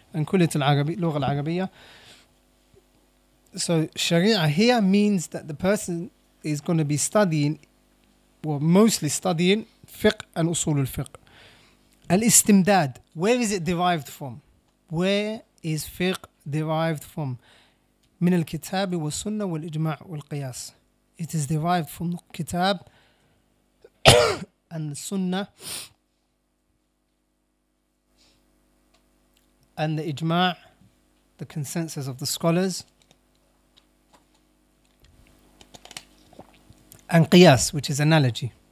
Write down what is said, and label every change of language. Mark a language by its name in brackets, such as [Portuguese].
[English] And kulit al-arabiyya, al-arabiyya. So sharia here means that the person is going to be studying, well, mostly studying fiqh and usulul fiqh. Al-istimdad, where is it derived from? Where is fiqh derived from? [Arabic] من الكتاب والسنة والإجماع والقياس. [English] It is derived from the kitab and the sunnah and the إجماع, the consensus of the scholars, and قياس, which is analogy.